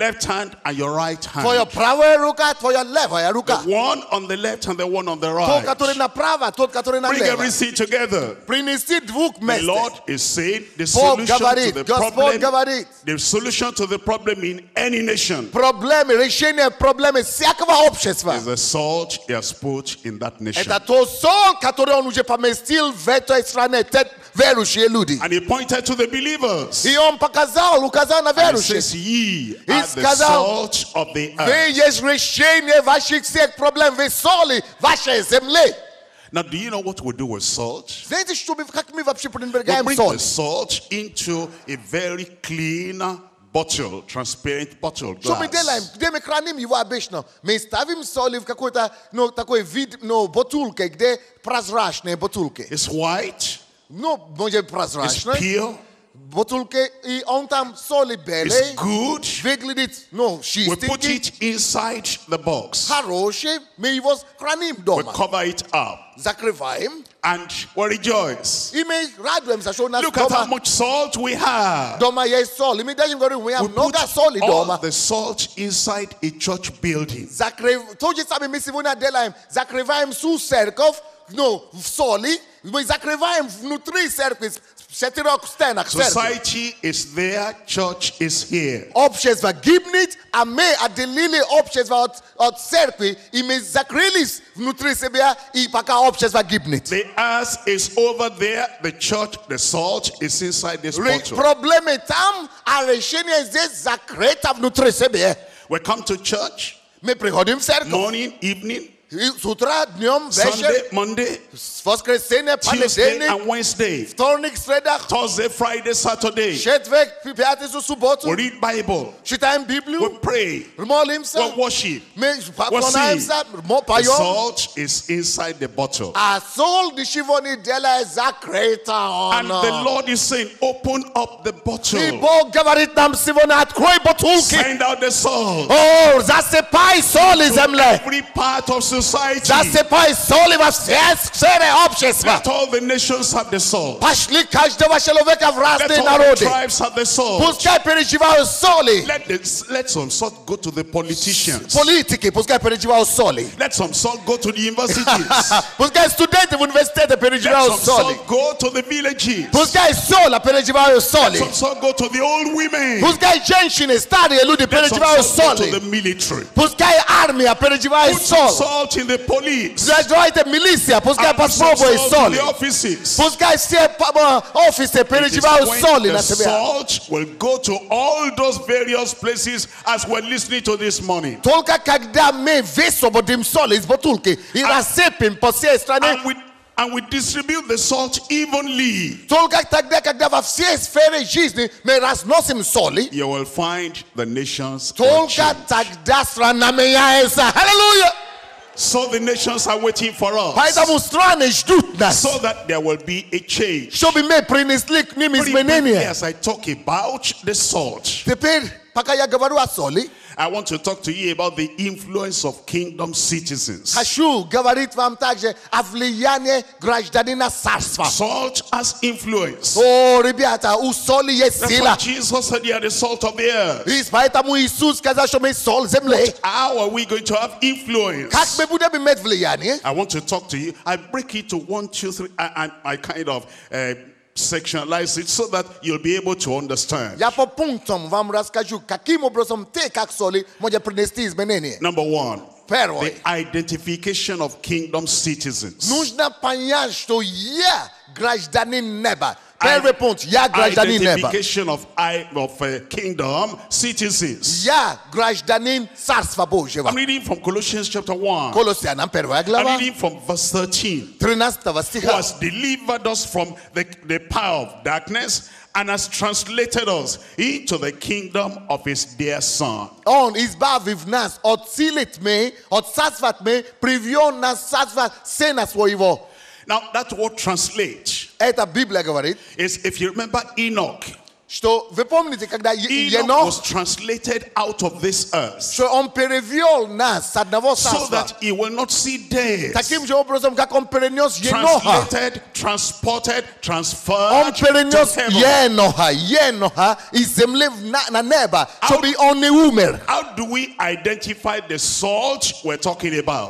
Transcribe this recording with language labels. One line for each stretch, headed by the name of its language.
English: left hand and your right hand. For your
Russian: правая рука, твоя левая рука.
English: The one on the left and the one on the right. Bring everything together.
Russian: Принести двух мест.
English: The Lord is saying the solution to the problem. The solution to the problem in any nation.
Russian: Проблем решение проблемы всякого общества.
English: Is the salt he has put in that nation.
Russian: Это то соль, которое он уже поместил в этой стране. Верующие люди.
English: And he pointed to the believers.
Russian: И он показал, указал на верующих.
English: He says, ye are
Russian: сказал,
English: the salt of the earth.
Russian: Вы есть решение ваших всех проблем. Вы соли вашей земли.
English: Now, do you know what we do with salt?
Russian: Знаете, что мы, как мы вообще принимаем соль?
English: We bring the salt into a very clean bottle, transparent bottle, glass.
Russian: Что мы делаем? Где мы храним его обычно? Мы ставим соль в какой-то, ну, такой вид, ну, бутылке, где прозрачные бутылки.
English: It's white.
Russian: Ну, может, прозрачно.
English: It's pure.
Russian: Бутылки, и он там соли белый.
English: It's good.
Russian: Выглядит, ну, чистенький.
English: We put it inside the box.
Russian: Хороший. Мы его храним дома.
English: We cover it up.
Russian: Закрываем.
English: And we rejoice.
Russian: И мы радуемся, что у нас
English: Look
Russian: дома.
English: Look at how much salt we have.
Russian: Дома есть соль. И мы даже говорим,
English: we have
Russian: много соли дома.
English: We put all the salt inside a church building.
Russian: То же самое мы сегодня делаем. Закрываем всю церковь, ну, в соли. Мы закрываем внутри церкви, четырех стенок церкви.
English: Society is there, church is here.
Russian: Общество гибнет, а мы отделили общество от церкви, и мы закрылись внутри себя, и пока общество гибнет.
English: The earth is over there, the church, the salt is inside this bottle.
Russian: Проблемы там, а решение здесь закрыто внутри себя.
English: We come to church.
Russian: Мы приходим в церковь.
English: Morning, evening.
Russian: С утра, днем, вечер,
English: Sunday, Monday,
Russian: воскресенье, понедельник,
English: Tuesday and Wednesday,
Russian: вторник, среда,
English: Thursday, Friday, Saturday,
Russian: четверг, пятницу, субботу,
English: we read Bible,
Russian: читаем Библию,
English: we pray,
Russian: молимся,
English: we worship,
Russian: мы поклоняемся, поем.
English: The salt is inside the bottle.
Russian: А соль дешевле делает закрыто.
English: And the Lord is saying, open up the bottle.
Russian: И Бог говорит нам сегодня, открой бутылки.
English: Send out the salt.
Russian: О, засыпай соль из земли.
English: Every part of society. society.
Russian: Засыпай соли во все общества.
English: Let all the nations have the salt.
Russian: Пошли каждого человека в разные народы.
English: Let all the tribes have the salt.
Russian: Пускай переживают соли.
English: Let some salt go to the politicians.
Russian: Политики, пускай переживают соли.
English: Let some salt go to the universities.
Russian: Пускай студенты в университеты переживают соли.
English: Let some salt go to the villages.
Russian: Пускай соли переживают соли.
English: Let some salt go to the old women.
Russian: Пускай женщины, старые люди переживают соли.
English: Let some salt go to the military.
Russian: Пускай армия переживает соль.
English: Put salt in the police.
Russian: Задвайте милиция, пускай попробуй соль.
English: The offices.
Russian: Пускай все офисы переживают соль на себе.
English: Salt will go to all those various places as we're listening to this morning.
Russian: Только когда мы высвободим соль из бутылки и рассыпем по всей стране.
English: And we distribute the salt evenly.
Russian: Только тогда, когда во всей сфере жизни мы разносим соли.
English: You will find the nations.
Russian: Только тогда страна меняется.
English: Hallelujah. So the nations are waiting for us.
Russian: Поэтому страны ждут нас.
English: So that there will be a change.
Russian: Чтобы мы принесли к ним изменения.
English: As I talk about the salt.
Russian: Теперь, пока я говорю о соли.
English: I want to talk to you about the influence of kingdom citizens.
Russian: Хочу говорить вам также о влиянии гражданина царства.
English: Salt has influence.
Russian: О, ребята, у соли есть сила.
English: That's why Jesus said you are the salt of the earth.
Russian: Поэтому Иисус сказал, что мы соль земли.
English: But how are we going to have influence?
Russian: Как мы будем иметь влияние?
English: I want to talk to you. I break it to 1, 2, 3. Sectionalize it so that you'll be able to understand.
Russian: Я по пунктам вам расскажу, каким образом ты, как соли, можешь принести изменения.
English: Number one.
Russian: Первое.
English: The identification of kingdom citizens.
Russian: Нужно понять, что я гражданин неба. Первый пункт. Я гражданин неба.
English: Identification of kingdom citizens.
Russian: Я гражданин царства Божьего.
English: I'm reading from Colossians chapter 1.
Russian: Колоссянам первая глава.
English: I'm reading from verse 13.
Russian: 13 стиха.
English: Who has delivered us from the power of darkness and has translated us into the kingdom of his dear son.
Russian: Он избавив нас от силы тьмы, от царства тьмы, привел нас в царство сына своего.
English: Now that word translate.
Russian: Это Библия говорит.
English: Is if you remember Enoch.
Russian: Что вы помните, когда
English: Enoch was translated out of this earth.
Russian: Что он перевел нас с одного царства.
English: So that he will not see death.
Russian: Таким же образом, как он перенес
English: Еноха. Translated, transported, transferred.
Russian: Он перенес Еноха из земли на небо, чтобы он не умер.
English: How do we identify the salt we're talking about?